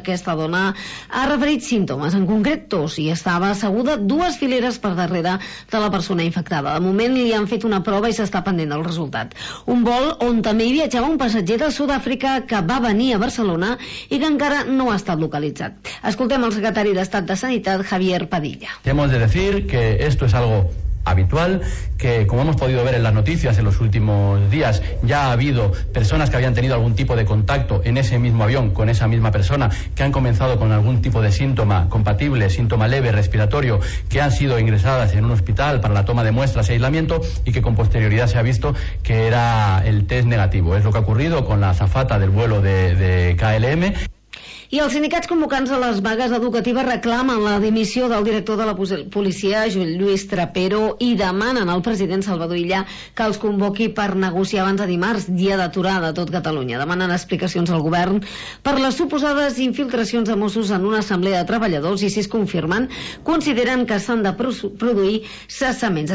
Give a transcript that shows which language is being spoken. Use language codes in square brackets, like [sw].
[ca] Aquesta dona ha referit símptomes, en concret tos, i estava asseguda dues fileres per darrere de la persona infectada. De moment li han fet una prova i s'està pendent del resultat. Un vol on també hi viatjava un passatger de Sud-àfrica que va venir a Barcelona i que encara no ha estat localitzat. Escoltem el secretari d'Estat de Sanitat, Javier Padilla. [es] Hemos de decir que esto es algo habitual, que como hemos podido ver en las noticias en los últimos días, ya ha habido personas que habían tenido algún tipo de contacto en ese mismo avión con esa misma persona, que han comenzado con algún tipo de síntoma compatible, síntoma leve, respiratorio, que han sido ingresadas en un hospital para la toma de muestras y aislamiento y que con posterioridad se ha visto que era el test negativo. Es lo que ha ocurrido con la azafata del vuelo de KLM. [ca] I els sindicats convocants de les vagues educatives reclamen la dimissió del director de la policia, Lluís Trapero, i demanen al president Salvador Illa que els convoqui per negociar abans de dimarts, dia d'aturada a tot Catalunya. Demanen explicacions al govern per les suposades infiltracions de Mossos en una assemblea de treballadors i, si es confirmen, consideren que s'han de produir cessaments.